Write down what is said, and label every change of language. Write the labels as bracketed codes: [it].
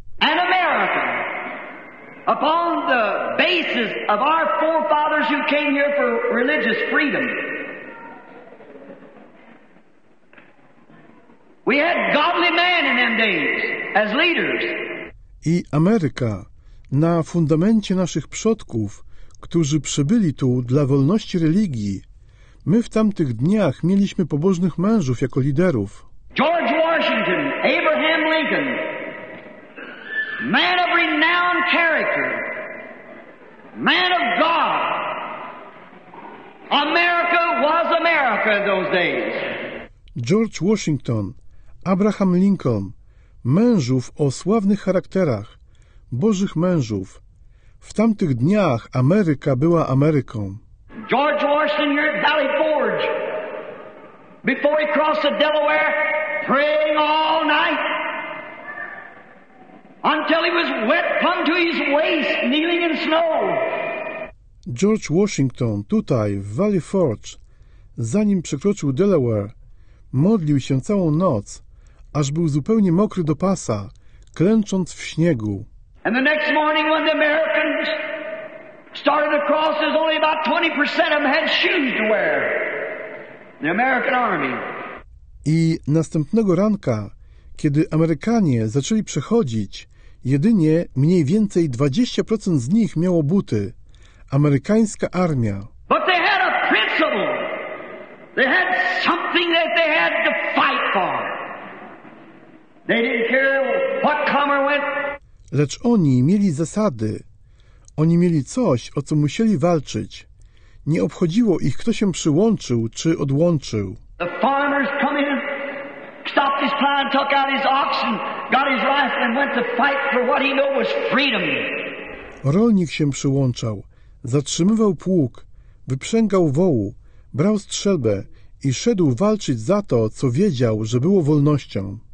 [en] An American. Upon the basis of our forefathers who came here for religious freedom. We had godly men in them days as leaders. [pl] I Ameryka, na fundamencie naszych przodków, którzy przybyli tu dla wolności religii, my w tamtych dniach mieliśmy pobożnych mężów jako liderów. [en] George Washington, Abraham Lincoln, man of renowned character, man of God. America was America in those days. [pl] George Washington, Abraham Lincoln, mężów o sławnych charakterach, bożych mężów. W tamtych dniach Ameryka była Ameryką. [en] George Washington here at Valley Forge, before he crossed the Delaware, praying all night, until he was wet come to his waist, kneeling in snow. [pl] George Washington tutaj, w Valley Forge, zanim przekroczył Delaware, modlił się całą noc, aż był zupełnie mokry do pasa, klęcząc w śniegu. [en] And the next morning when the Americans started across, there's only about 20% of them had shoes to wear. The American army. [pl] I następnego ranka, kiedy Amerykanie zaczęli przechodzić, jedynie mniej więcej 20% z nich miało buty. Amerykańska armia. [en] But they had a principle. They had something that they had to fight for. They didn't care what color went. [pl] Lecz oni mieli zasady. Oni mieli coś, o co musieli walczyć. Nie obchodziło ich, kto się przyłączył czy odłączył. [en] The farmers come in, stopped his plow, took out his oxen, got his rifle and went to fight for what he knew was freedom. [pl] Rolnik się przyłączał, zatrzymywał pług, wyprzęgał wołu, brał strzelbę i szedł walczyć za to, co wiedział, że było wolnością.